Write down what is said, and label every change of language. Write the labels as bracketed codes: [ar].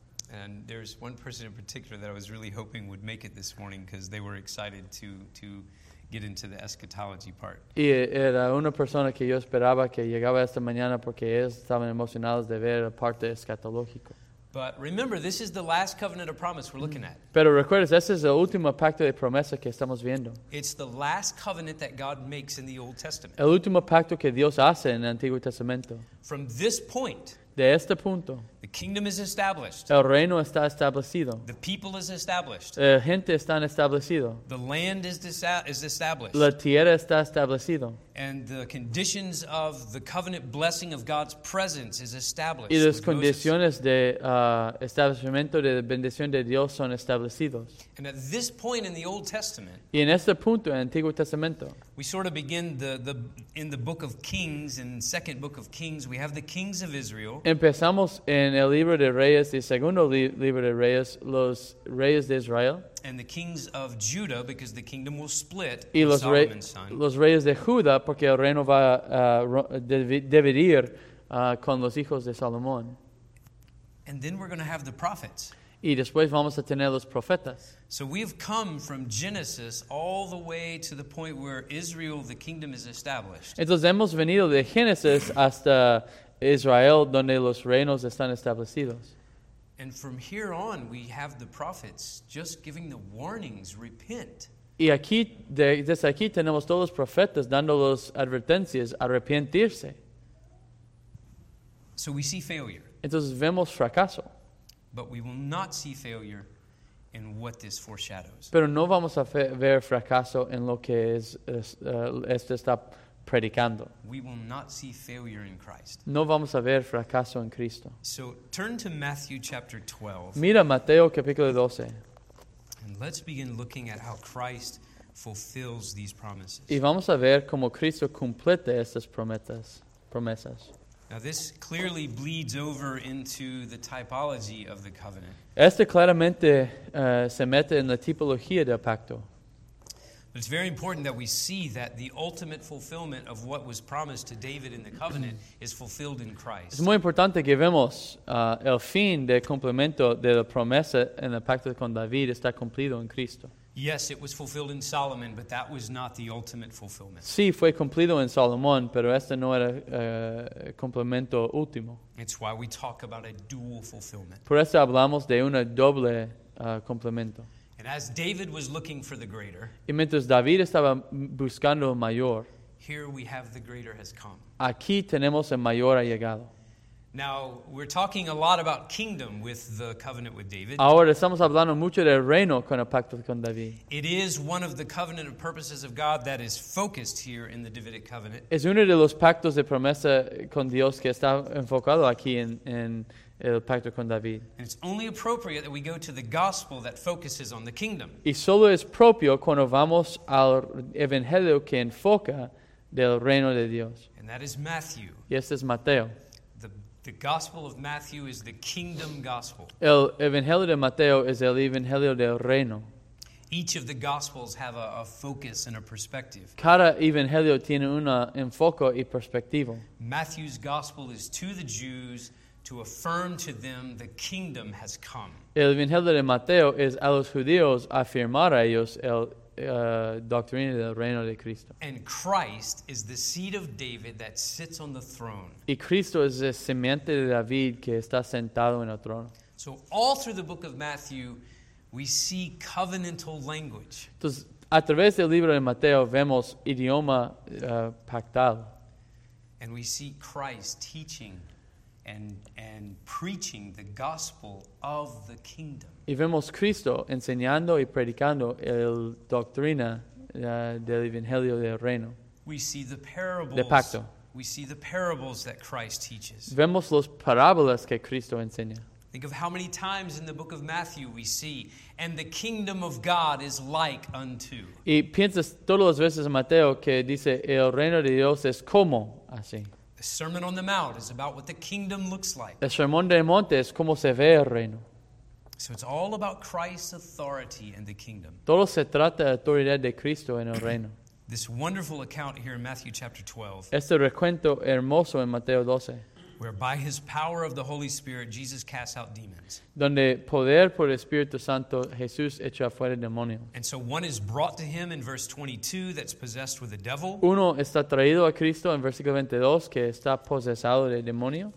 [en] And there's one person in particular that I was really hoping would make it this morning because they were excited to get into the eschatology part. [es] Y era una persona que yo esperaba que llegaba esta mañana porque ellos estaban emocionados de ver la parte escatológica. [en] But remember, this is the last covenant of promise we're looking at. [es] Pero recuerdas, este es el último pacto de promesa que estamos viendo. [en] It's the last covenant that God makes in the Old Testament. [es] El último pacto que Dios hace en el Antiguo Testamento. [en] From this point, [es] De este punto, [en] the kingdom is established. [es] El reino está establecido. [en] The people is established. [es] La gente está establecido. [en] The land is established. [es] La tierra está establecido. [en] And the conditions of the covenant blessing of God's presence is established. [es] Y las condiciones de establecimiento de bendición de Dios son establecidos. [en] And at this point in the Old Testament, [es] y en este punto en el Antiguo Testamento, [en] we sort of begin the in the book of Kings, in the second book of Kings, we have the kings of Israel. [es] Empezamos en el libro de Reyes, el segundo libro de Reyes, los reyes de Israel. [en] And the kings of Judah, because the kingdom will split. [es] Y los [en] Solomon's son. [es] Los reyes de Judá, porque el reino va a dividir con los hijos de Salomón. [en] And then we're going to have the prophets. [es] Y después vamos a tener los profetas. [en] So we've come from Genesis all the way to the point where Israel, the kingdom, is established. [es] Entonces hemos venido de Génesis hasta Israel, donde los reinos están establecidos. [en] And from here on, we have the prophets just giving the warnings, repent. [es] Y aquí, desde aquí tenemos todos los profetas dando las advertencias, arrepentirse. [en] So we see failure. [es] Entonces vemos fracaso. [en] But we will not see failure in what this foreshadows. [es] Pero no vamos a ver fracaso en lo que esto está predicando. [en] We will not see failure in Christ. [es] No vamos a ver fracaso en Cristo. [en] So turn to Matthew chapter 12. [es] Mira Mateo capítulo 12. [en] And let's begin looking at how Christ fulfills these promises. [es] Y vamos a ver cómo Cristo completa estas promesas. [en] Now this clearly bleeds over into the typology of the covenant. [es] Esto claramente se mete en la tipología del pacto. [en] But it's very important that we see that the ultimate fulfillment of what was promised to David in the covenant is fulfilled in Christ. [es] Es muy importante que vemos el fin del cumplimiento de la promesa en el pacto con David está cumplido en Cristo. [en] Yes, it was fulfilled in Solomon, but that was not the ultimate fulfillment. [es] Sí, fue cumplido en Salomón, pero este no era cumplimiento último. [en] It's why we talk about a dual fulfillment. [es] Por eso hablamos de una doble cumplimiento. [en] And as David was looking for the greater, [es] y mientras David estaba buscando el mayor, [en] here we have the greater has come. [es] Aquí tenemos el mayor ha llegado. [en] Now, we're talking a lot about kingdom with the covenant with David. [es] Ahora estamos hablando mucho del reino con el pacto con David. [en] It is one of the covenant of purposes of God that is focused here in the Davidic covenant. [es] Es uno de los pactos de promesa con Dios que está enfocado aquí en el pacto con David. [en] And it's only appropriate that we go to the gospel that focuses on the kingdom. [es] Y solo es propio cuando vamos al evangelio que enfoca del reino de Dios. [en] And that is Matthew. [es] Y este es Mateo. [en] The gospel of Matthew is the kingdom gospel. [es] El evangelio de Mateo es el evangelio del reino. [en] Each of the gospels have a focus and a perspective. [es] Cada evangelio tiene un enfoque y perspectiva. [en] Matthew's gospel is to the Jews to affirm to them the kingdom has come. [es] El evangelio de Mateo es a los judíos afirmar a ellos el doctrina del reino de Cristo. [en] And Christ is the seed of David that sits on the throne. [es] Y Cristo es el simiente de David que está sentado en el trono. [en] So all through the book of Matthew, we see covenantal language. [es] Entonces, a través del libro de Mateo vemos idioma pactal. [en] And we see Christ teaching and preaching the gospel of the kingdom. [es] Y vemos Cristo enseñando y predicando el doctrina del evangelio del reino. [en] We see the parables. [es] De pacto. [en] We see the parables that Christ teaches. [es] Vemos los parábolas que Cristo enseña. [en] Think of how many times in the book of Matthew we see, and the kingdom of God is like unto. [es] Y piensas todas las veces en Mateo que dice el reino de Dios es como así. [en] The Sermon on the Mount is about what the kingdom looks like. [es] El Sermón del Monte es cómo se ve el reino. [en] So it's all about Christ's authority and the kingdom. [es] Todo se trata de la autoridad de Cristo en el reino. [en] This wonderful account here in Matthew chapter 12. [es] Este recuento hermoso en Mateo 12. [en] Where by his power of the Holy Spirit, Jesus casts out demons. [es] Donde poder por el Espíritu Santo, Jesús echa fuera demonios. [en] And so one is brought to him in verse 22 that's possessed with a devil. [es] Uno está traído a Cristo en versículo 22 que está posesado de demonio.